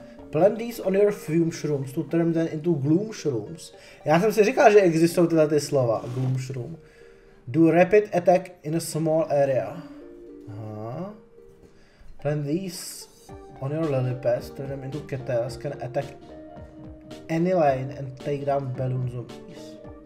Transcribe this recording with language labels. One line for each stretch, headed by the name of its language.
English: Plant these on your fume shrooms to turn them into gloom shrooms.
Czech: Já jsem si říkal, že existují tyhle ty slova, gloom shroom.
English: Do rapid attack in a small area. Aha. Plant these on your lily pads, turn them into kettles, can attack any lane and take down balloon zombies.